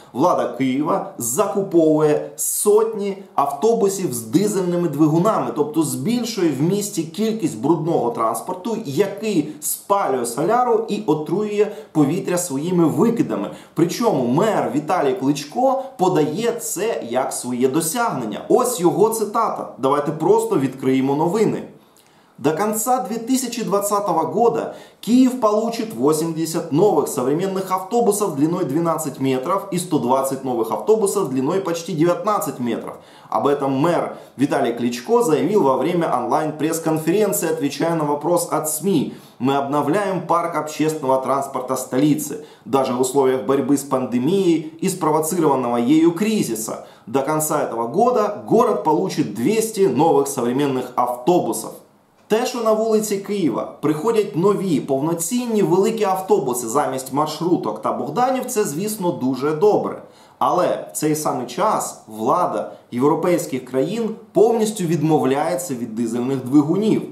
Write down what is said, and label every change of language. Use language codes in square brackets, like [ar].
[uk] Влада Києва закуповує сотні автобусів з дизельними двигунами, тобто збільшує в місті кількість брудного транспорту, який спалює соляру і отруює повітря своїми викидами. Причому мер Віталій Кличко подає це як своє досягнення. Ось його цитата. Давайте просто відкриємо новини. [ru] До конца 2020 года Киев получит 80 новых современных автобусов длиной 12 метров и 120 новых автобусов длиной почти 19 метров. Об этом мэр Виталий Кличко заявил во время онлайн-пресс-конференции, отвечая на вопрос от СМИ. Мы обновляем парк общественного транспорта столицы, даже в условиях борьбы с пандемией и спровоцированного ею кризиса. До конца этого года город получит 200 новых современных автобусов. [uk] Те, що на вулиці Києва приходять нові, повноцінні, великі автобуси замість маршруток та богданів, це, звісно, дуже добре. Але в цей самий час влада європейських країн повністю відмовляється від дизельних двигунів.